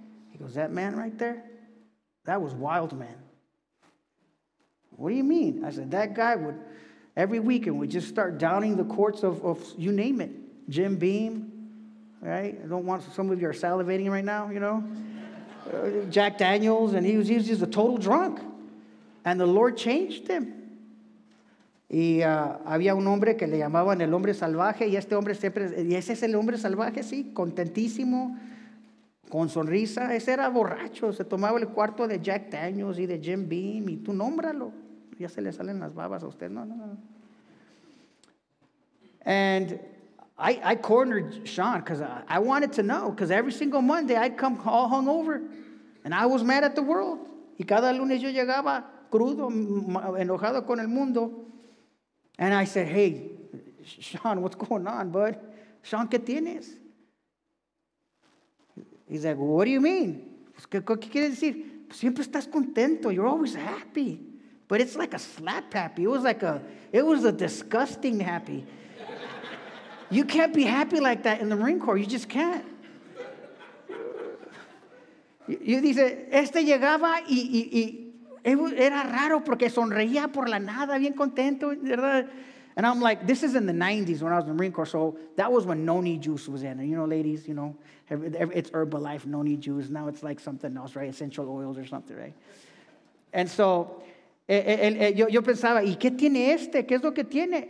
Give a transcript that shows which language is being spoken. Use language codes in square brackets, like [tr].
[en] He goes, that man right there? That was wild, man. What do you mean? I said, that guy would, every weekend, we just start downing the quarts of you name it, Jim Beam, right? I don't want some of you are salivating right now, you know? Jack Daniels, and he was just a total drunk. And the Lord changed him. [es] Y había un hombre que le llamaban el hombre salvaje, y este hombre siempre, y ese es el hombre salvaje, sí, contentísimo, con sonrisa. Ese era borracho, se tomaba el cuarto de Jack Daniels y de Jim Beam, y tú nómbralo. Ya se le salen las babas a usted. No. [en] And I cornered Sean because I wanted to know, because every single Monday I'd come all hungover and I was mad at the world. [es] Y cada lunes yo llegaba crudo, enojado con el mundo. [en] And I said, hey, Sean, what's going on, bud? [es] Sean, ¿qué tienes? [en] He's like, well, what do you mean? [es] ¿Qué quiere decir? Siempre estás contento. [en] You're always happy. But it's like a slap happy. It was a disgusting happy. You can't be happy like that in the Marine Corps. You just can't. [es] Y dice, este llegaba era raro porque sonreía por la nada, bien contento, ¿verdad? [en] And I'm like, this is in the 90s when I was in the Marine Corps. So that was when Noni juice was in. And you know, ladies, you know, it's Herbalife, Noni juice. Now it's like something else, right? Essential oils or something, right? And so [es] yo pensaba, ¿y qué tiene este? ¿Qué es lo que tiene?